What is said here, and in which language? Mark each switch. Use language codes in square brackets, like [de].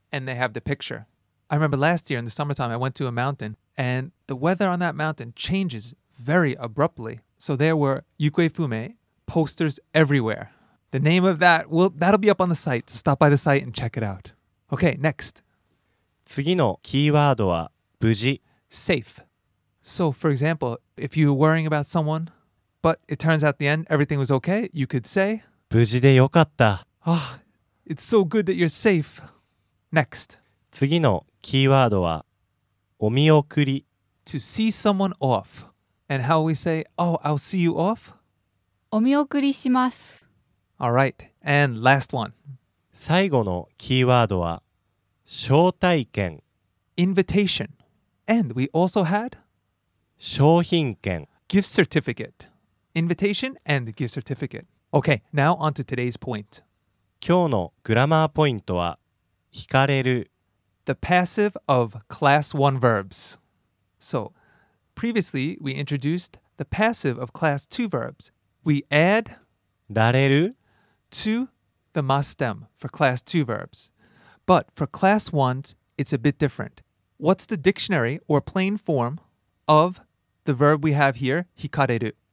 [en] And they have the picture. I remember last year in the summertime, I went to a mountain and the weather on that mountain changes very abruptly. So there were 行方不明 posters everywhere. The name of that, well, that'll be up on the site. So stop by the site and check it out. Okay, next. [ja] 次のキーワードは無事 [en] Safe. So for example, if you're worrying about someone, but it turns out at the end everything was okay, you could say [ja] 無事でよかった。 [en] Oh,It's so good that you're safe. Next. [ja] 次のキーワードはお見送り [en] To see someone off. And how we say, oh, I'll see you off? [ja] お見送りします。 [en] Alright, and last one. [ja] 最後のキーワードは招待券 [en] Invitation. And we also had [ja] 商品券 [en] Gift certificate. Invitation and gift certificate. Okay, now on to today's point. [ja] 今日のグラマーポイントは惹かれる [en] The passive of class 1 verbs. So, previously we introduced the passive of class 2 verbs. We add [ja] られる [en] to the mustem for class 2 verbs. But for class 1s, it's a bit different. What's the dictionary or plain form of the verb we have here, 惹かれる